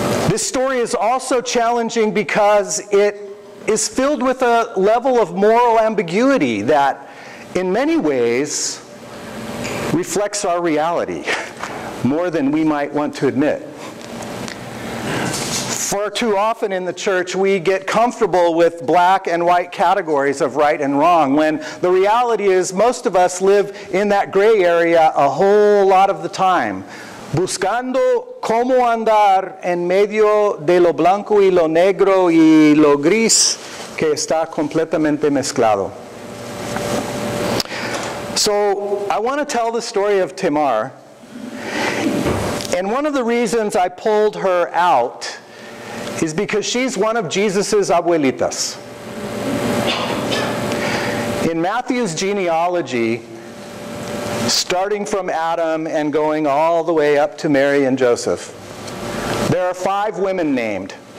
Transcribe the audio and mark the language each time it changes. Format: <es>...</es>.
<en>This story is also challenging because it is filled with a level of moral ambiguity that in many ways reflects our reality more than we might want to admit. Far too often in the church, we get comfortable with black and white categories of right and wrong, when the reality is most of us live in that gray area a whole lot of the time.</en> <es>Buscando cómo andar en medio de lo blanco y lo negro y lo gris que está completamente mezclado.</es> <en>So I want to tell the story of Tamar. And one of the reasons I pulled her out is because she's one of Jesus's abuelitas. In Matthew's genealogy, starting from Adam and going all the way up to Mary and Joseph, there are five women named.</en>